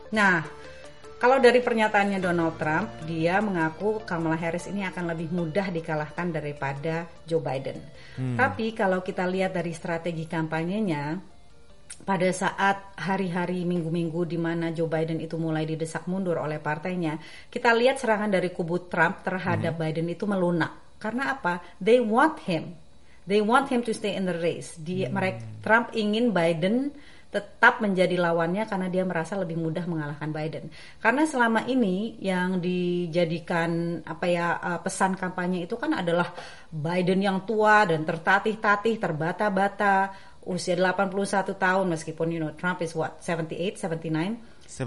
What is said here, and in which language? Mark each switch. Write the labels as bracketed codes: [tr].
[id] Nah, kalau dari pernyataannya Donald Trump, dia mengaku Kamala Harris ini akan lebih mudah dikalahkan daripada Joe Biden. Tapi kalau kita lihat dari strategi kampanyenya, pada saat hari-hari minggu-minggu di mana Joe Biden itu mulai didesak mundur oleh partainya, kita lihat serangan dari kubu Trump terhadap Biden itu melunak. Karena apa? [en] They want him. They want him to stay in the race. [id] Trump ingin Biden tetap menjadi lawannya karena dia merasa lebih mudah mengalahkan Biden. Karena selama ini yang dijadikan pesan kampanye itu kan adalah Biden yang tua dan tertatih-tatih, terbata-bata, usia 81 tahun, meskipun, [en] you know, Trump is what, 78, 79.